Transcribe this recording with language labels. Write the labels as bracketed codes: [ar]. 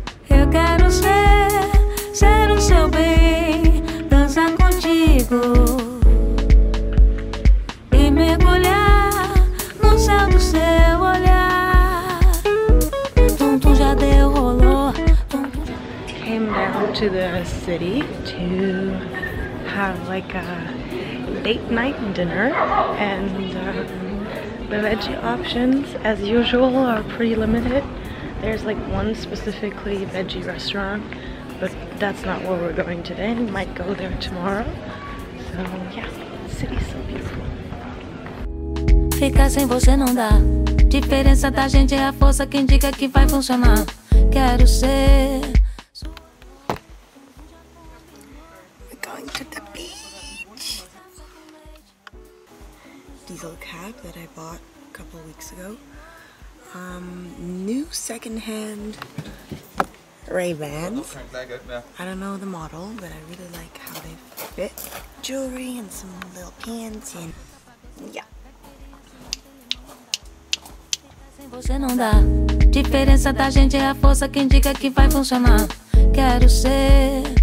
[pt] Eu quero ser o seu bem, dançar contigo e mergulhar no céu do seu olhar. Tonto já deu, rolou. [en] Came down to the city to have like a late night dinner, and the veggie options, as usual, are pretty limited. There's like one specifically veggie restaurant, but that's not where we're going today. We might go there tomorrow. So yeah, the city's so beautiful. [pt] Ficar sem você não dá. Diferença da gente é a força que indica que vai funcionar. Quero ser. [en] That I bought a couple weeks ago. New secondhand Ray-Bans. I don't know the model, but I really like how they fit. Jewelry and some little pants and yeah. [pt] Você não dá. Diferença da gente é a força que indica que vai funcionar. Quero ser.